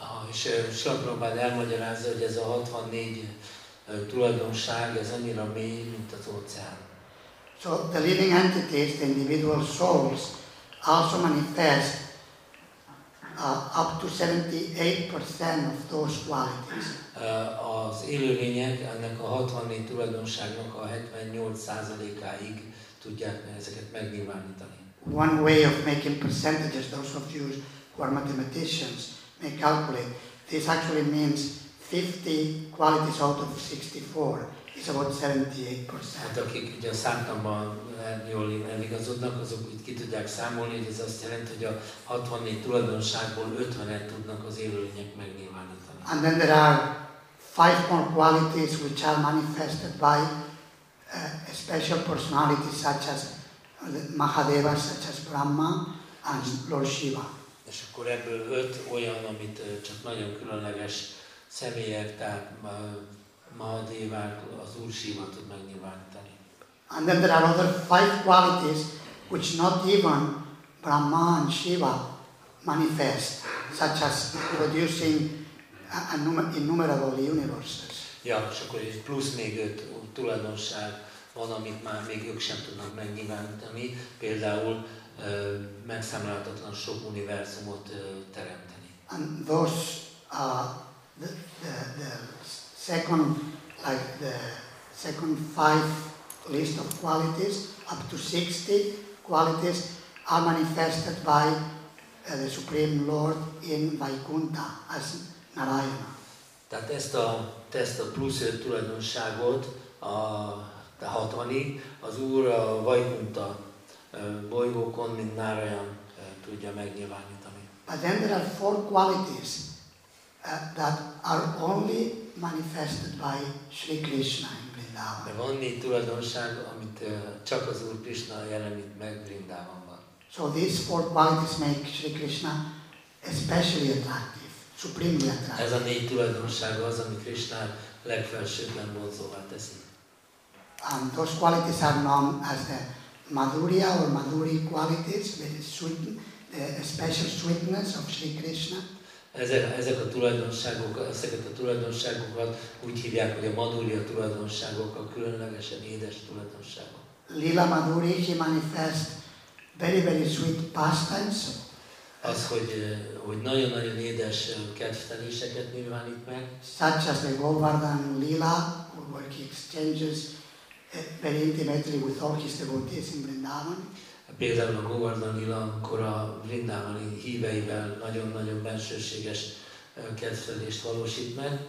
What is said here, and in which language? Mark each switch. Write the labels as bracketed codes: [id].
[hu] És Srila Prabhupada elmagyarázza, hogy ez a 64 tulajdonság, ez annyira mély, mint az óceán. [en] So the living entities, the individual souls, also manifest up to 78% of those qualities. [hu] Az élőlények ennek a 64 tulajdonságnak a 78%-áig tudják ezeket megnyilvánítani. [en] One way of making percentages, those of you who are mathematicians may calculate, this actually means 50 qualities out of 64. It's about 78%. [hu] Hát akik ugye a számtamban jól eligazodnak, azok itt ki tudják számolni, hogy ez azt jelenti, hogy a 64 tulajdonságból 50-et tudnak az élőlények megnyilvánítani. [en] And then there are five more qualities which are manifested by special personalities such as Mahadeva, such as Brahma and Lord Shiva. [hu] És akkor ebből öt olyan, amit csak nagyon különleges személyek, tehát Mahadeva, az Úr Shiva tud megnyilvánítani. [en] And then there are other five qualities which not even Brahma and Shiva manifest, such as producing innumerable universes. [hu] Ja, és akkor egy plusz még öt tulajdonság van, amit már még ők sem tudnak megnyilvánítani, például megszámláltatlan sok univerzumot teremteni. [en] And those the second five list of qualities, up to 60 qualities, are manifested by the Supreme Lord in Vaikuntha as Narayana. [hu] Tehát ezt a plusz tulajdonságot a hatvani, az Úr a Vaikuntha bolygókon, mint Narayan tudja megnyilvánítani. [en] But then there are four qualities that are only manifested by Sri Krishna in Vrindavan. [hu] De van négy tulajdonság, amit csak az Úr Krishna jelenít meg Vrindavanban. [en] So these four qualities make Sri Krishna especially attractive, supremely attractive. [hu] Ez a négy tulajdonság az, ami Krishna legfelsőbben vonzóvá teszi. [en] And those qualities are known as the Madhurya or Madhuri qualities, the special sweetness of Sri Krishna. [hu] Ezeket a tulajdonságokat úgy hívják, hogy a Madhurya tulajdonságok, a különlegesen édes tulajdonságok. [en] Lila Madhuri, he manifest very, very sweet pastimes. [hu] Az, hogy nagyon-nagyon édes kedvteléseket nyilvánít meg. [en] Such as the Govardhan Lila, where he exchanges very intimately with all his devotees in Vrindavan. [hu] Például a Govardhan Lila, amikor a Vrindavani híveivel nagyon-nagyon bensőséges kedvelést valósít meg.